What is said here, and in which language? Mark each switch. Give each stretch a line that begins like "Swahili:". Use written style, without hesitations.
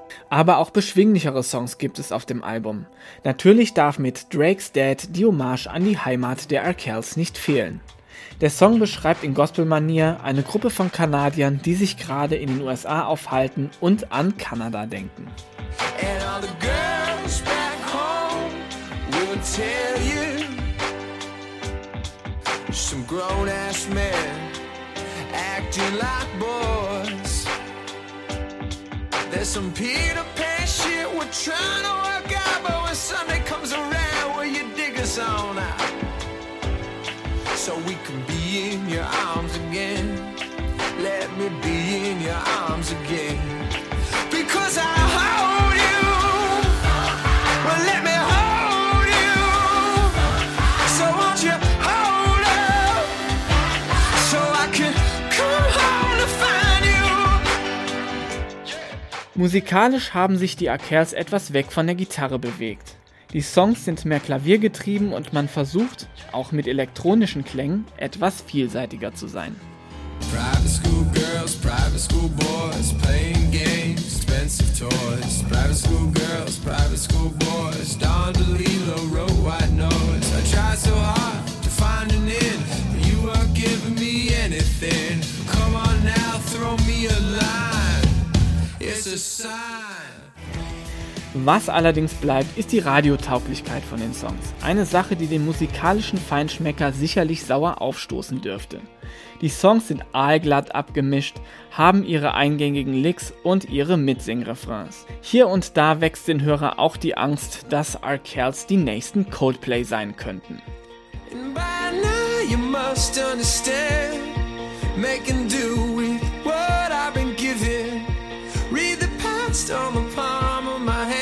German: Aber auch beschwinglichere Songs gibt es auf dem Album. Natürlich darf mit Drake's Dead die Hommage an die Heimat der R. Kells nicht fehlen. Der Song beschreibt in Gospel-Manier eine Gruppe von Kanadiern, die sich gerade in den USA aufhalten und an Kanada denken.
English: And all the girls back home will tell you some grown-ass men acting like boys. There's some Peter Pan shit we're trying to work out, but when Sunday comes around, will you dig us on out? So we can be in your arms again. Let me be in your arms again. Because I hold you. Well, let me hold you. So won't you hold up? So I can come home to find you.
German: Musikalisch haben sich die R. Kells etwas weg von der Gitarre bewegt. Die Songs sind mehr klaviergetrieben und man versucht, auch mit elektronischen Klängen, etwas vielseitiger zu sein.
English: Private school girls, private school boys, playing games, expensive toys. Private school girls, private school boys, Don DeLillo wrote white noise. I tried so hard to find an end, but you weren't giving me anything. Come on now, throw me a line, it's a sign.
German: Was allerdings bleibt, ist die Radiotauglichkeit von den Songs. Eine Sache, die dem musikalischen Feinschmecker sicherlich sauer aufstoßen dürfte. Die Songs sind aalglatt abgemischt, haben ihre eingängigen Licks und ihre Mitsing-Refrains. Hier und da wächst den Hörer auch die Angst, dass R. Kells die nächsten Coldplay sein könnten.
English: And by now you must understand, make and do with what I've been given. Read the past on the palm of my.